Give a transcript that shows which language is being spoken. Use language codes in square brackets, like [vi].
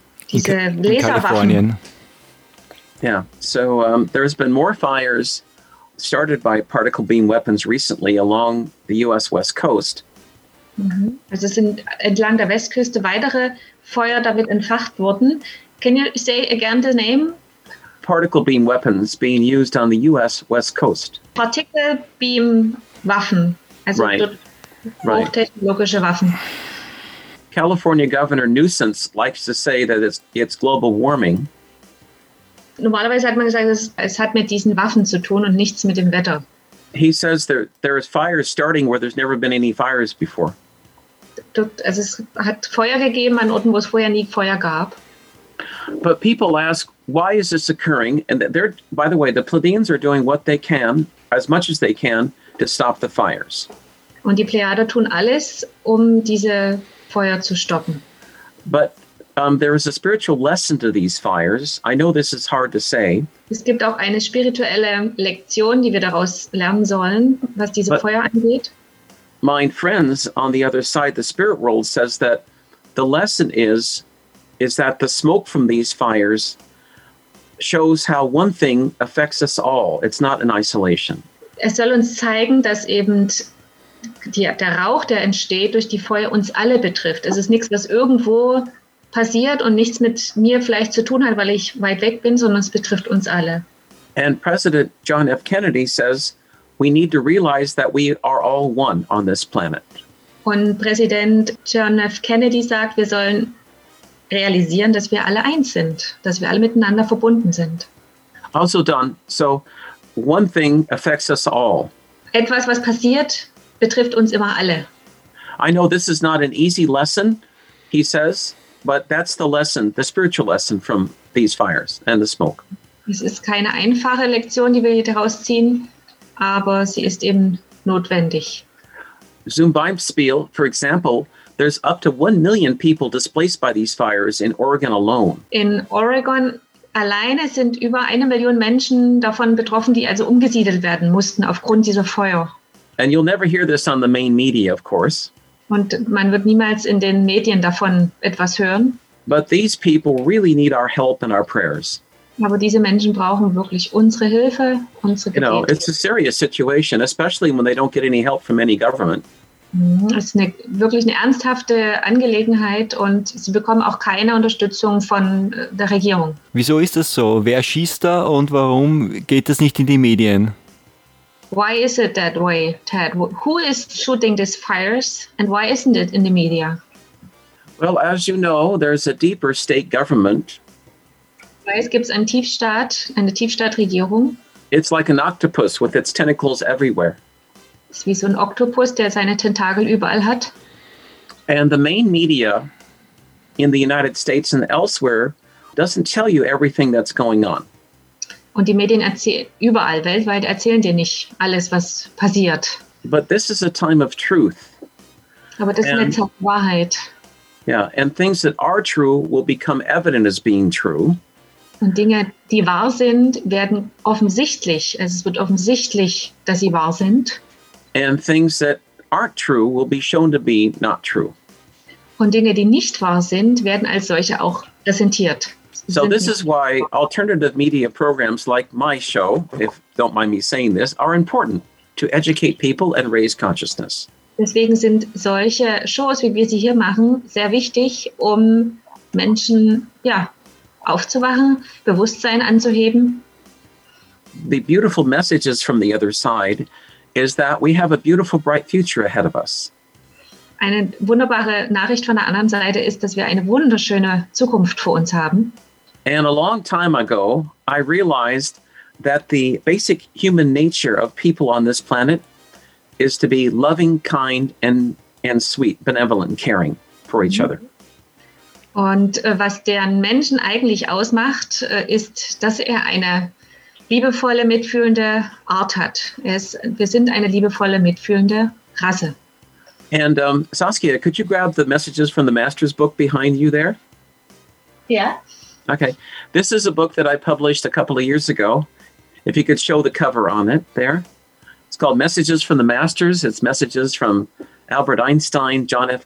[de] Diese Laserwaffen. [en] Yeah, so there has been more fires started by particle beam weapons recently along the US West Coast. [de] Also sind entlang der Westküste weitere Feuer damit entfacht worden. [en] Can you say again the name? Particle beam weapons being used on the US West Coast. [de] Particle beam Waffen, also hochtechnologische Waffen. [en] California Governor Newsom likes to say that it's global warming. [de] Normalerweise hat man gesagt, es hat mit diesen Waffen zu tun und nichts mit dem Wetter. [en] He says there is fires starting where there's never been any fires before. [de] Dort, also es hat Feuer gegeben an Orten, wo es vorher nie Feuer gab. [en] But people ask, why is this occurring? And they're, by the way, the Pleiadians are doing what they can, as much as they can, to stop the fires. [de] Und die Plejaden tun alles, um diese Feuer zu stoppen. [en] But there is a spiritual lesson to these fires. I know this is hard to say. [de] Es gibt auch eine spirituelle Lektion, die wir daraus lernen sollen, was diese Feuer angeht. [en] My friends on the other side, the spirit world, says that the lesson is that the smoke from these fires shows how one thing affects us all. It's not an isolation. [de] Es soll uns zeigen, dass eben der Rauch, der entsteht durch die Feuer, uns alle betrifft. Es ist nichts, was irgendwo passiert und nichts mit mir vielleicht zu tun hat, weil ich weit weg bin, sondern es betrifft uns alle. [en] And President John F. Kennedy says, we need to realize that we are all one on this planet. [de] Und Präsident John F. Kennedy sagt, wir sollen realisieren, dass wir alle eins sind, dass wir alle miteinander verbunden sind. [en] Also Don, so one thing affects us all. [de] Etwas, was passiert, betrifft uns immer alle. [en] I know this is not an easy lesson, he says. But that's the lesson, the spiritual lesson from these fires and the smoke. [de] Es ist keine einfache Lektion, die wir hier daraus ziehen, aber sie ist eben notwendig. Zum Beispiel, [en] for example, there's up to 1 million people displaced by these fires in Oregon alone. [de] In Oregon alleine sind über 1 Million Menschen davon betroffen, die also umgesiedelt werden mussten aufgrund dieser Feuer. [en] And you'll never hear this on the main media, of course. [de] Und man wird niemals in den Medien davon etwas hören. [en] But these people really need our help and our prayers. [de] Aber diese Menschen brauchen wirklich unsere Hilfe, unsere Gebete. [en] You know, it's a serious situation, especially when they don't get any help from any government. [de] Es ist wirklich eine ernsthafte Angelegenheit und sie bekommen auch keine Unterstützung von der Regierung. Wieso ist das so? Wer schießt da und warum geht das nicht in die Medien? [en] Why is it that way, Ted? Who is shooting these fires and why isn't it in the media? Well, as you know, there's a deeper state government. [de] Es gibt einen Tiefstaat, eine Tiefstaatregierung. [en] It's like an octopus with its tentacles everywhere. [de] Es ist wie so ein Oktopus, der seine Tentakel überall hat. [en] And the main media in the United States and elsewhere doesn't tell you everything that's going on. [de] Und die Medien überall weltweit erzählen dir nicht alles, was passiert. [en] But this is a time of truth. [de] Aber das ist eine Zeit der Wahrheit. [en] Yeah, and things that are true will become evident as being true. [de] Und Dinge, die wahr sind, werden offensichtlich. Also es wird offensichtlich, dass sie wahr sind. [en] And things that aren't true will be shown to be not true. [de] Und Dinge, die nicht wahr sind, werden als solche auch präsentiert. [en] So this is why alternative media programs like my show, if don't mind me saying this, are important to educate people and raise consciousness. [de] Deswegen sind solche Shows, wie wir sie hier machen, sehr wichtig, um Menschen aufzuwachen, Bewusstsein anzuheben. [en] The beautiful messages from the other side is that we have a beautiful, bright future ahead of us. [de] Eine wunderbare Nachricht von der anderen Seite ist, dass wir eine wunderschöne Zukunft vor uns haben. [en] And a long time ago, I realized that the basic human nature of people on this planet is to be loving, kind, and sweet, benevolent, caring for each other. [de] Und was den Menschen eigentlich ausmacht, ist, dass er eine liebevolle, mitfühlende Art hat. Wir sind eine liebevolle, mitfühlende Rasse. [en] And Saskia, could you grab the messages from the Master's book behind you there? Yeah. Okay. This is a book that I published a couple of years ago. If you could show the cover on it there. It's called Messages from the Masters. It's messages from Albert Einstein, John F.